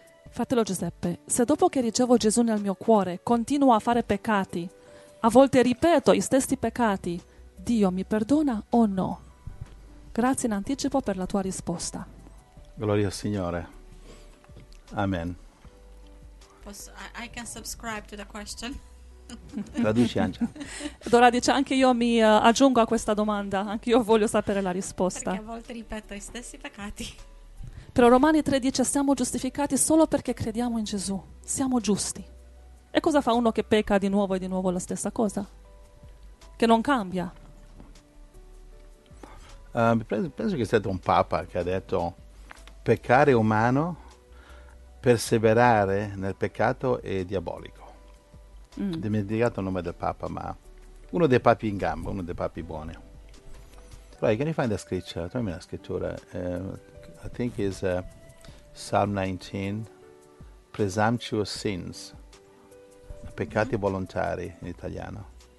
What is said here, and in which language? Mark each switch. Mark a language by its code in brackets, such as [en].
[it] Fratello Giuseppe, se dopo che ricevo Gesù nel mio cuore continuo a fare peccati, a volte ripeto gli stessi peccati, Dio mi perdona o no? Grazie in anticipo per la tua risposta. Gloria al Signore. Amen. [en] I can subscribe to the question. [it] Traduci, Angela. Dora dice anche io mi aggiungo a questa domanda, anche io voglio sapere la risposta. Perché a volte ripeto gli stessi peccati. Però Romani 3:10 siamo giustificati solo perché crediamo in Gesù, siamo giusti. E cosa fa uno che pecca di nuovo la stessa cosa? Che non cambia. Penso che sia stato un papa che ha detto: peccare umano. Perseverare nel peccato è diabolico. Ho dimenticato il nome del Papa, ma uno dei papi in gamba, uno dei papi buoni. Vai, che ne fai da scrittura? Trovami la scrittura. [en] I think it's Psalm 19, Presumptuous Sins, [it] Peccati volontari in italiano.